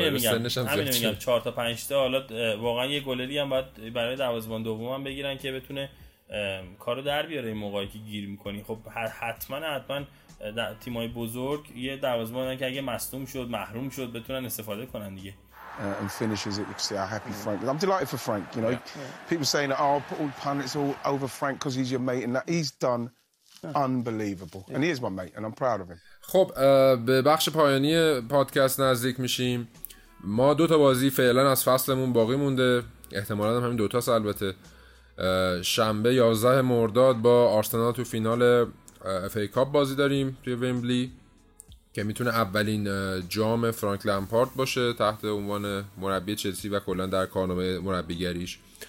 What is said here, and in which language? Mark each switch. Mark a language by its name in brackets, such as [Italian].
[Persian] سنش هم زیاد شده، 4 تا 5 تا حالا واقعا یه گلری هم باید برای دروازه‌بان دوم هم بگیرن که بتونه کارو در بیاره این موقعی که گیر می‌کنی. خب حتما تیمای بزرگ یه دروازه‌بان که اگه مصدوم شد محروم شد بتونن استفاده کنن دیگه. [English] And finishes it. You can see how happy Frank is. I'm delighted for Frank. You know, people saying, "Oh, all pundits all over Frank because he's your mate," and that he's done unbelievable. Yeah. And he is my mate, and I'm proud of him. [Persian] خب به بخش پایانی پادکست نزدیک میشیم. ما دو تا بازی فعلا از فصلمون باقی مونده. احتمالاً همین دو تا است. البته شنبه 11 مرداد با آرسنال تو فینال FA کاپ بازی داریم توی ویمبلی که میتونه اولین جام فرانک لامپارد باشه تحت عنوان مربی چلسی و کلا در کارنامه مربیگریش.